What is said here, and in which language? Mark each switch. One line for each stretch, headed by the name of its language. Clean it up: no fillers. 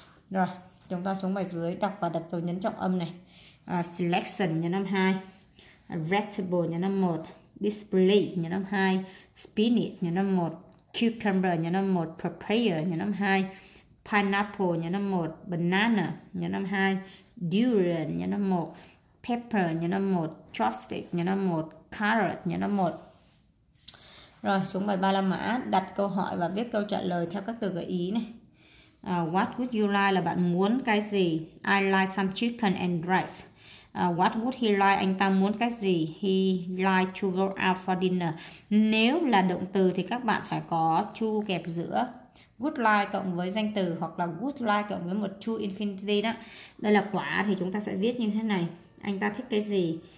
Vietnamese: Rồi, chúng ta xuống bài dưới, đọc và đặt dấu nhấn trọng âm này. Selection nhấn âm 2, vegetable nhấn âm 1, display nhấn âm 2, spinach nhấn âm 1, cucumber nhấn âm 1, prepare nhấn âm 2, pineapple nhấn âm 1, banana nhấn âm 2, durian nhấn âm 1, pepper nhấn âm 1, chopstick nhấn âm 1, carrot nhấn âm 1. Rồi, xuống bài 3 la mã, đặt câu hỏi và viết câu trả lời theo các từ gợi ý này.
English: What would you like
Vietnamese: là bạn muốn cái gì?
English: I like some chicken and rice. What would he like?
Vietnamese: Anh ta muốn cái gì?
English: He like to go out for dinner.
Vietnamese: Nếu là động từ thì các bạn phải có to kẹp giữa. Would like cộng với danh từ hoặc là would like cộng với một to infinity đó. Đây là quả thì chúng ta sẽ viết như thế này. Anh ta thích cái gì?